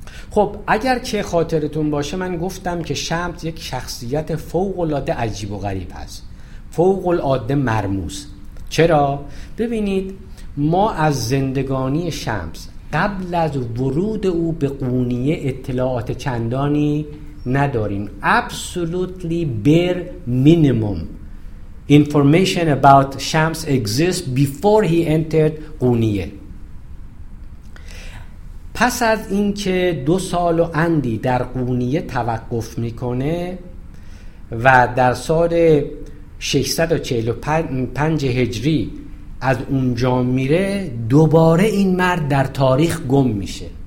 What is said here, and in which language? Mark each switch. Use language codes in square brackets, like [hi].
[fa] خب اگر که خاطرتون باشه من گفتم که شمس یک شخصیت فوق‌العاده عجیب و غریب هست، فوق العاده مرموز. چرا؟ ببینید ما از زندگانی شمس قبل از ورود او به قونیه اطلاعات چندانی نداریم. [en] Absolutely bare minimum information about شمس exists before he entered قونیه. [fa] پس از اینکه 2 سال و اندی در قونیه توقف میکنه و در سال 645 هجری از اونجا میره، دوباره این مرد در تاریخ گم میشه.